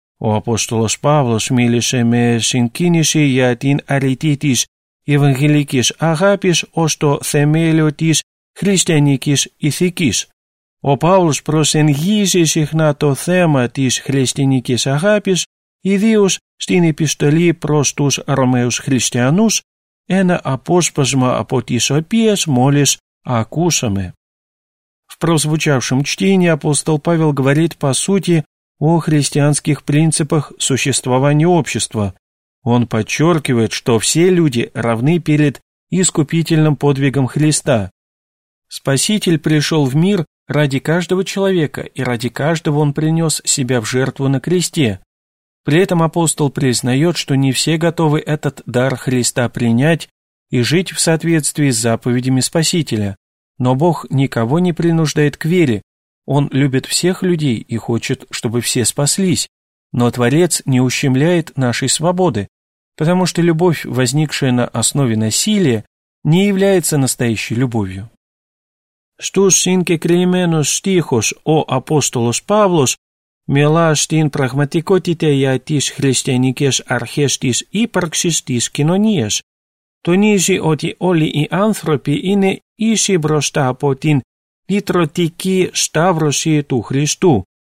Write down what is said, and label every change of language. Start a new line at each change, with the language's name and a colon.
Greek: Ο Απόστολος Παύλος μίλησε με συγκίνηση για την αρετή της ευαγγελικής αγάπης ως το θεμέλιο της χριστιανικής ηθικής. Ο Παύλος προσεγγίζει συχνά το θέμα της χριστιανικής αγάπης, ιδίως στην επιστολή προς τους Ρωμαίους χριστιανούς, ένα απόσπασμα από τις οποίες μόλις ακούσαμε.
Russian: В прозвучавшем чтении апостол Павел говорит по сути о христианских принципах существования общества. Он подчеркивает, что все люди равны перед искупительным подвигом Христа. Спаситель пришел в мир ради каждого человека, и ради каждого он принес себя в жертву на кресте. При этом апостол признает, что не все готовы этот дар Христа принять и жить в соответствии с заповедями Спасителя. Но Бог никого не принуждает к вере, Он любит всех людей и хочет, чтобы все спаслись, но Творец не ущемляет нашей свободы, потому что любовь, возникшая на основе насилия, не является настоящей любовью.
Greek: Στους συγκεκριμένους στίχους ο Απόστολος Παύλος μιλά στην πραγματικότητα για τις χριστιανικές αρχές της ύπαρξης της κοινωνίας. Τονίζει ότι όλοι οι άνθρωποι είναι ίσοι μπροστά από την Λυτρωτική σταύρωση του Χριστού.